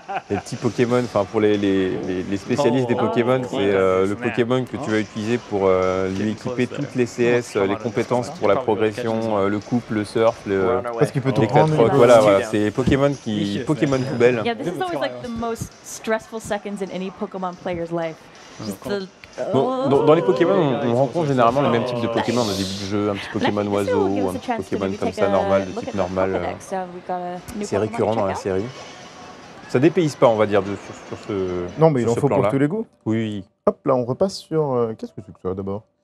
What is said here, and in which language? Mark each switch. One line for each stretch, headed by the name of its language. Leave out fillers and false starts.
French: Les petits Pokémon, enfin pour les spécialistes des Pokémon, c'est le Pokémon que tu vas utiliser pour lui équiper toutes les CS, les compétences pour la progression, le couple, le surf, le. Parce qu'il peut tout prendre. Voilà, c'est Pokémon qui. Pokémon poubelle.
English: Yeah, this is always like the most stressful seconds in any Pokémon player's life.
French: Bon, dans les Pokémon, on rencontre généralement le même type de Pokémon au début du jeu, un petit Pokémon oiseau, un petit Pokémon comme ça, normal, de type normal. C'est récurrent dans la série. Ça dépayse pas, on va dire, sur ce. Non, mais il en faut pour tous les goûts. Oui. Hop, là, on repasse sur. Qu'est-ce que c'est que ça d'abord?